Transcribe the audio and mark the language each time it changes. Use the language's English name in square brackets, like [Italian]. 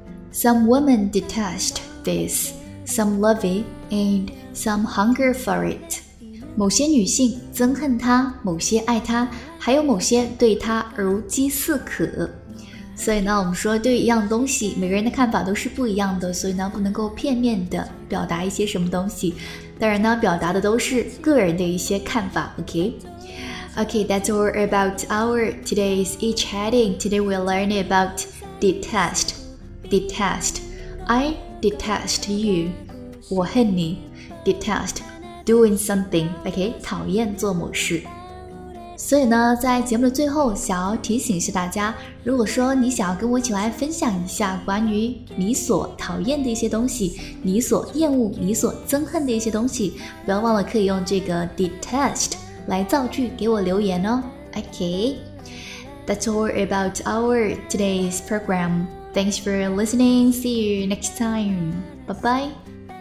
[English] Some women detest this, some love it, and some hunger for it. [Chinese] 某些女性憎恨她，某些爱她，还有某些对她如饥似渴。所以呢，我们说对一样东西，每个人的看法都是不一样的，所以呢，不能够片面的表达一些什么东西。当然呢，表达的都是个人的一些看法 ,OK? [English] Okay, that's all about our today's e-chatting. Today we're learning about detest. Detest. I detest you. [Chinese] 我恨你。 [English] Detest. Doing something. [Chinese] Okay, 讨厌做某事。所以呢，在节目的最后，想要提醒一下大家，如果说你想要跟我一起来分享一下关于你所讨厌的一些东西，你所厌恶，你所憎恨的一些东西，不要忘了可以用这个 detest. 来造句给我留言哦。 [English] OK, that's all about our today's program. Thanks for listening. See you next time. Bye bye.